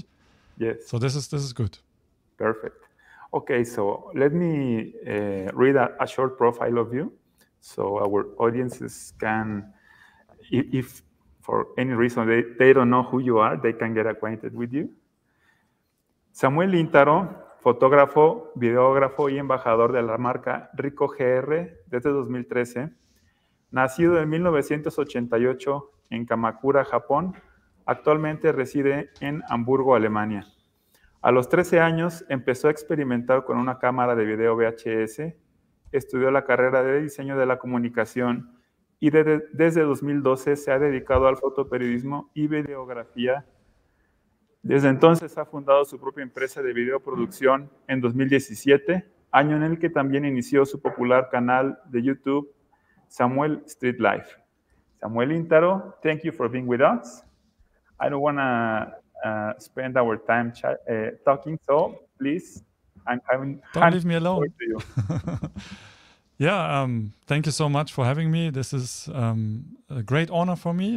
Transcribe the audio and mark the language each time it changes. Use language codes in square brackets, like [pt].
[en] Mm-hmm. Yes. So this is good. Perfect. Okay, so let me read a short profile of you. So our audiences can, if for any reason they don't know who you are, they can get acquainted with you. [es] Samuel Lintaro, fotógrafo, videógrafo y embajador de la marca Rico GR desde 2013, nacido en 1988 en Kamakura, Japón, actualmente reside en Hamburgo, Alemania. A los 13 años empezó a experimentar con una cámara de video VHS. Estudió la carrera de diseño de la comunicación y desde 2012 se ha dedicado al fotoperiodismo y videografía. Desde entonces ha fundado su propia empresa de videoproducción en 2017, año en el que también inició su popular canal de YouTube, Samuel Street Life. [en] Samuel Lintaro, thank you for being with us. I don't want to spend our time talking, so please. Don't leave me alone. Yeah, thank you so much for having me. This is a great honor for me.